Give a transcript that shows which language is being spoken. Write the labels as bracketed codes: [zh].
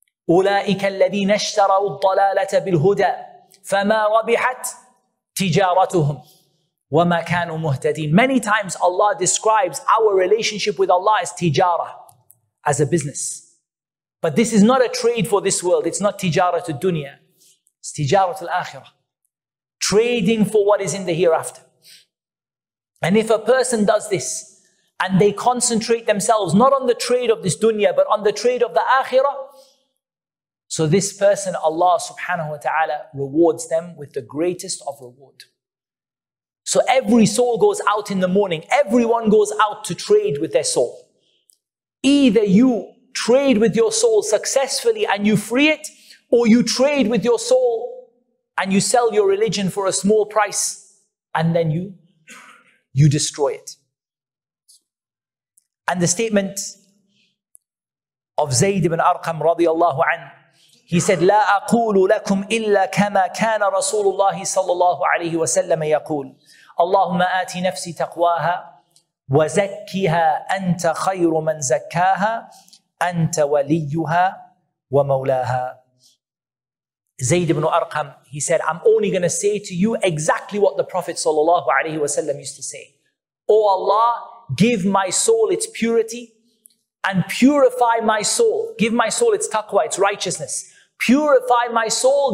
[ar] أولئك الذين اشتروا الضلالة بالهدى فما ربحت تجارتهم وما كانوا مهتدين. [en] Many times Allah describes our relationship with Allah as tijara, as a business. But this is not a trade for this world. It's not tijara to dunya. It's tijara to akhira. Trading for what is in the hereafter. And if a person does this, and they concentrate themselves not on the trade of this dunya, but on the trade of the akhira, so this person, Allah subhanahu wa ta'ala, rewards them with the greatest of reward. So every soul goes out in the morning. Everyone goes out to trade with their soul. Either you trade with your soul successfully and you free it, or you trade with your soul and you sell your religion for a small price and then you destroy it. And the statement of Zayd ibn Arqam radiallahu anhu, he said, [ar] لا أقول لكم إلا كما كان رسول الله صلى الله عليه وسلم يقول اللهم آتي نفسي تقواها وزكيها أنت خير من زكاها أنت وليها ومولاها. [en] Zayd ibn Arqam, he said, I'm only going to say to you exactly what the Prophet sallallahu alayhi wa sallam used to say. Oh Allah, give my soul its purity and purify my soul. Give my soul its taqwa, its righteousness. Purify my soul.